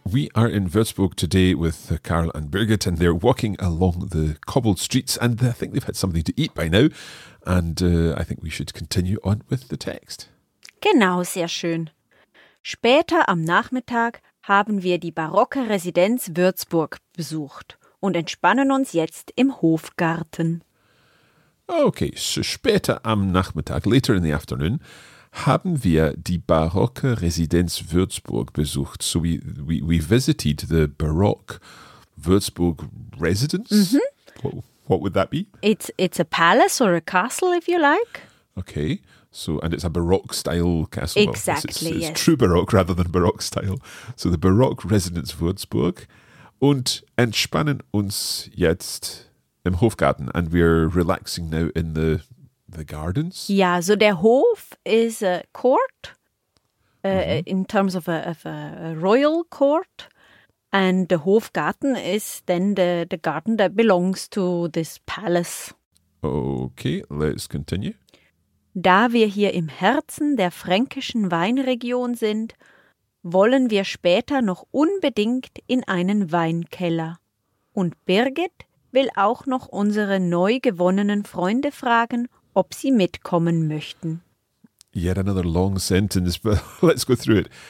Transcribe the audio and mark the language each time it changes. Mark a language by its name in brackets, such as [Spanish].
[English] We are in Würzburg today with Karl and Birgit, and they're walking along the cobbled streets, and I think they've had something to eat by now, and I think we should continue on with the text. [German] Genau, sehr schön. Später am Nachmittag haben wir die barocke Residenz Würzburg besucht und entspannen uns jetzt im Hofgarten. [English] Okay, so [German] später am Nachmittag, [English] later in the afternoon, [German] haben wir die barocke Residenz Würzburg besucht. [English] So we visited the baroque Würzburg residence. Mm-hmm. What would that be? It's a palace or a castle, if you like. Okay. So, and it's a baroque style castle. Exactly, well, it's yes. True baroque rather than baroque style. So the baroque Residenz Würzburg. [German] Und entspannen uns jetzt im Hofgarten. [English] And we're relaxing now in the gardens? [German] Ja, so der Hof [English] is a court, in terms of a royal court, and the Hofgarten is then the garden that belongs to this palace. Okay, let's continue. [German] Da wir hier im Herzen der fränkischen Weinregion sind, wollen wir später noch unbedingt in einen Weinkeller. Und Birgit will auch noch unsere neu gewonnenen Freunde fragen, ob sie mitkommen möchten. [English] Yet another long sentence, but let's go through it.